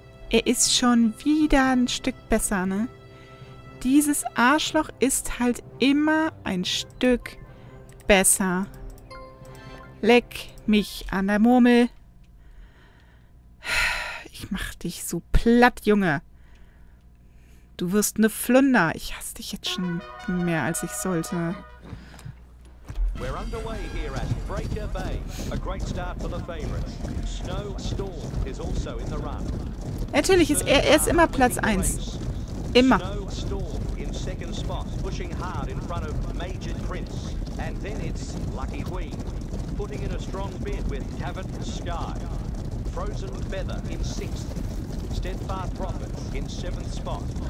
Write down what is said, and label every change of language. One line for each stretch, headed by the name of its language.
German: Er ist schon wieder ein Stück besser, ne? Dieses Arschloch ist halt immer ein Stück besser. Leck mich an der Murmel. Ich mach dich so platt, Junge. Du wirst eine Flunder. Ich hasse dich jetzt schon mehr, als ich sollte.
English: We're underway here at Breaker Bay. A great start for the favorite. Snow Storm is also in the run.
German: Natürlich ist er ist immer Platz 1. Immer.
English: Snow Storm in second spot, pushing hard in front of Major Prince. And then it's Lucky Queen, putting in a strong bid with Cavern Sky. Frozen Feather in sixth. Steadfast Prophet in seventh spot.